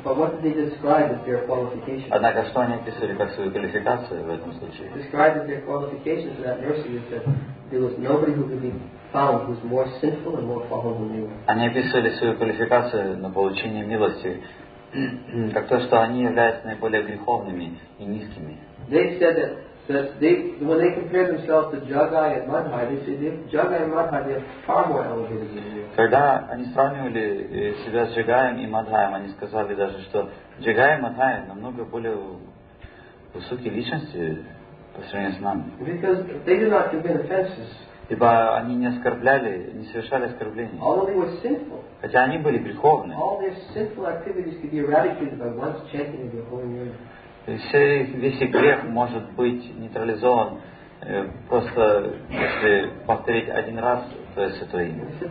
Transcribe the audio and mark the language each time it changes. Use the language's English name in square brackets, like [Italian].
[English] But what did they describe as their qualification? [Russian] Однако, что они описывали как свою квалификацию в этом случае? [English] Described as their qualification for that mercy is that there was nobody who could be found who was more sinful and more fallen than they were. [Russian] Они описывали свою квалификацию на получение милости как то, что они являются наиболее греховными и низкими. [English] They said that when they compared themselves to Jagai and Madhai, they said Jagai and Madhai are far more elevated than you. [Russian] Когда они сравнивали себя с Джагаем и Мадхаем, они сказали даже, что Джагай и Мадхай намного более высокие личности по сравнению с нами. [English] Because they did not commit offenses. [Russian] Ибо они не оскорбляли, не совершали оскорблений. [English] Although they were sinful. [Russian] Хотя они были греховны. [English] All their sinful activities could be eradicated by once chanting the holy name. [Russian] Весь их грех может быть нейтрализован просто если повторить один раз твое святое имя.